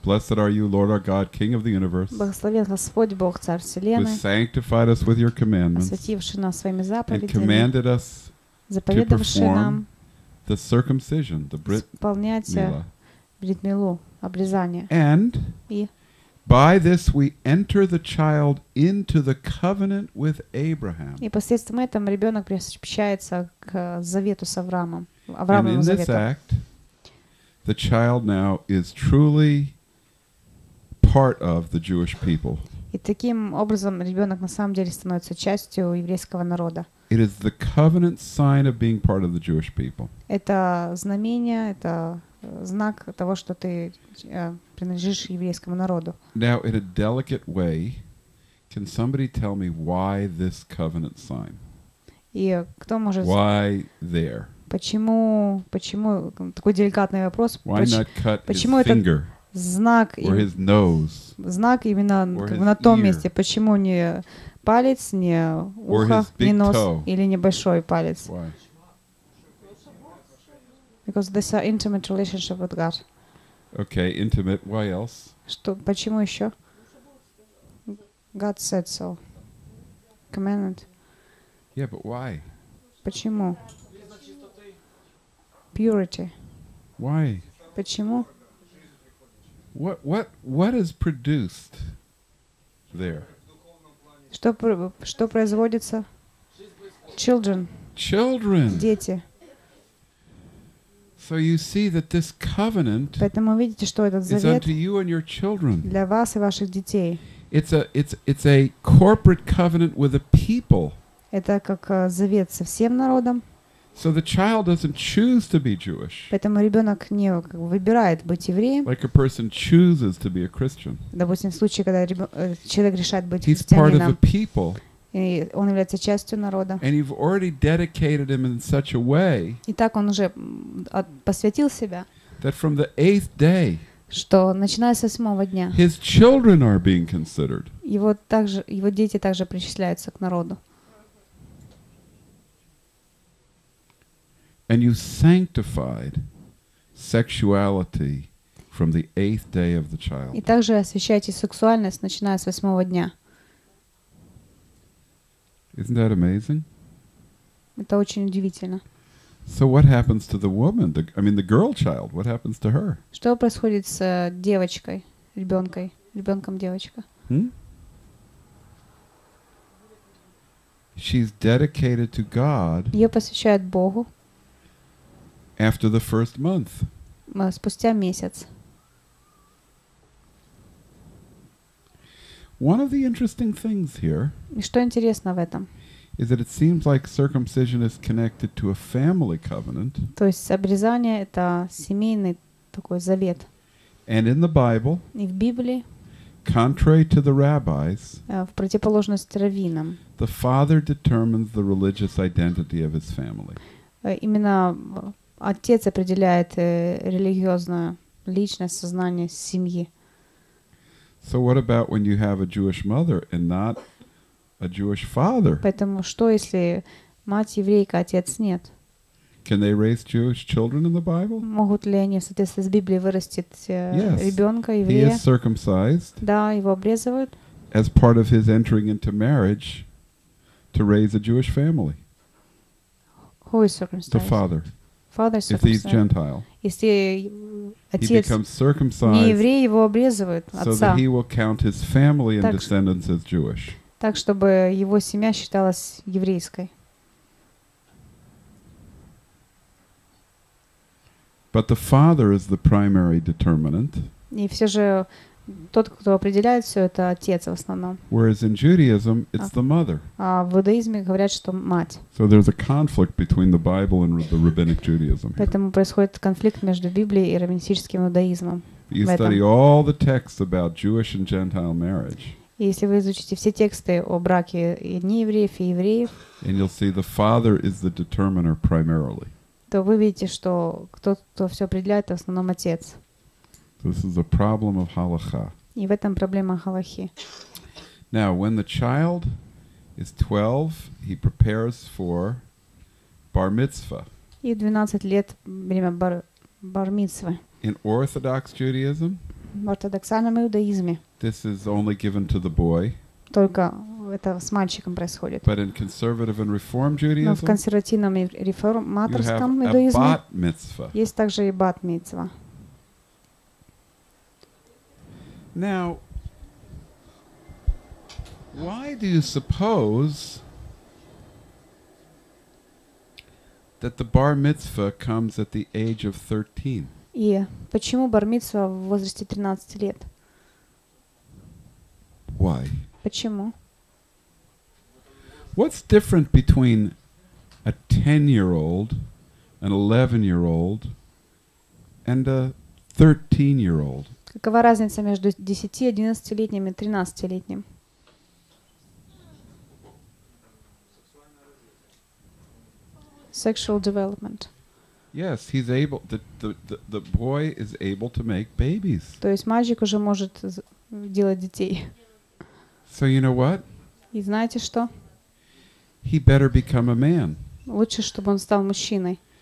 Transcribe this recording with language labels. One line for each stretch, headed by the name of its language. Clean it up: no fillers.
English: Blessed are you, Lord our God, King of the Universe.
Russian: Благословен Господь Бог Царь Вселенной.
English: Who sanctified us with your commandments.
Russian: Освятивший нас своими заповедями.
English: And commanded us to perform the circumcision, the Brit Mila.
Russian: Исполнять Брит Милу, обрезание.
English: And by this we enter the child into the covenant with Abraham.
Russian: И посредством этого ребенок причащается к завету с Авраамом. Авраамовым завету.
English: In this act, the child now is truly part of the Jewish people.
Russian: И таким образом ребенок на самом деле становится частью еврейского народа.
English: It is the covenant sign of being part of the Jewish people.
Russian: Это знамение, это знак того, что ты принадлежишь еврейскому народу.
English: Now, in a delicate way, can somebody tell me why this covenant sign?
Russian: И кто может?
English: Why there?
Russian: Почему такой деликатный вопрос?
English: Why not cut
Russian: почему
English: his finger?
Russian: Знак
English: or his nose?
Russian: Знак именно как, на том
English: ear.
Russian: Месте. Почему не палец, не ухо, не нос
English: toe.
Russian: Или небольшой палец?
English: Why? Because this is an intimate relationship with God. Okay, intimate. Why else?
Russian: Что, почему еще?
English: God said so. Commanded. Yeah, but why?
Russian: Почему?
English: Purity. Why?
Russian: Почему?
English: What is produced there?
Russian: Что производится?
English: Children. Children.
Russian: Дети.
English: So you see that this covenant
Russian: поэтому видите, что этот завет
English: is unto you and your children.
Russian: Для вас и ваших детей.
English: It's a corporate covenant with the people.
Russian: Это как завет со всем народом.
English: So the child doesn't choose to be Jewish.
Russian: Поэтому ребенок не выбирает быть евреем.
English: Like a person chooses to be a Christian.
Russian: Допустим, в случае, когда человек решает быть христианином.
English: He's part of the people.
Russian: И он является частью народа.
English: And you've already dedicated him in such a way.
Russian: И так он уже посвятил себя.
English: That from the eighth day.
Russian: Что начиная с восьмого дня.
English: His children are being considered.
Russian: Его дети также причисляются к народу.
English: And you sanctified sexuality from the eighth day of the child.
Russian: И также освящаете сексуальность начиная с восьмого дня.
English: Isn't that amazing?
Russian: Это очень удивительно.
English: So what happens to the woman? The girl child. What happens to her?
Russian: Что происходит с девочкой, ребенком, ребенком девочка?
English: She's dedicated to God.
Russian: Ее посвящают Богу.
English: After the first month.
Russian: Спустя месяц.
English: One of the interesting things here.
Russian: И что интересно в этом?
English: Is that it seems like circumcision is connected to a family covenant.
Russian: То есть обрезание это семейный такой завет.
English: And in the Bible.
Russian: И в Библии.
English: Contrary to the rabbis.
Russian: В противоположность раввинам.
English: The father determines the religious identity of his family.
Russian: Именно отец определяет религиозную личность, сознание семьи.
English: So what about when you have a Jewish mother and not a Jewish father?
Russian: Поэтому что если мать еврейка, отец нет?
English: Can they raise Jewish children in the Bible?
Russian: Могут ли они, соответственно, с Библии вырастить ребенка еврея?
English: He is circumcised.
Russian: Да, его обрезывают.
English: As part of his entering into marriage, to raise a Jewish family. Who is circumcised? The father. Father circumcised. If he's Gentile.
Russian: Если отец
English: he becomes circumcised.
Russian: Не еврей, его обрезывают отца.
English: So that he will count his family and descendants as Jewish.
Russian: Так чтобы его семья считалась еврейской.
English: But the father is the primary determinant.
Russian: И все же тот, кто определяет все, это отец в основном.
English: Whereas in Judaism, it's the mother.
Russian: А в иудаизме говорят, что мать.
English: So there's a conflict between the Bible and the rabbinic Judaism.
Russian: Поэтому происходит конфликт между Библией и раввинистическим иудаизмом.
English: You study all the texts about Jewish and Gentile marriage.
Russian: И если вы изучите все тексты о браке и неевреев и евреев.
English: And you'll see the father is the determiner primarily.
Russian: То вы видите, что кто все определяет, это в основном отец.
English: This is a problem of halacha.
Russian: И в этом проблема халахи.
English: Now, when the child is 12, he prepares for bar mitzvah.
Russian: И 12 лет время бар мицвы.
English: In Orthodox Judaism.
Russian: В ортодоксальном иудаизме.
English: This is only given to the boy.
Russian: Только это с мальчиком происходит.
English: But in conservative and reform Judaism,
Russian: но в консервативном и реформаторском иудаизме есть также и бат мицва.
English: Now, why do you suppose that the bar mitzvah comes at the age of 13?
Russian: И почему бар мицва в возрасте 13 лет?
English: Why?
Russian: Почему?
English: What's different between a 10-year-old, an 11-year-old, and a 13-year-old?
Russian: Какова разница между 10, 11-летним и 13-летним?
English: Sexual development. Yes, he's able, the boy is able to make babies.
Russian: То есть мальчик уже может делать детей.
English: So you know what?
Russian: И знаете что?
English: He better become a man.
Russian: Лучше, чтобы он стал мужчиной.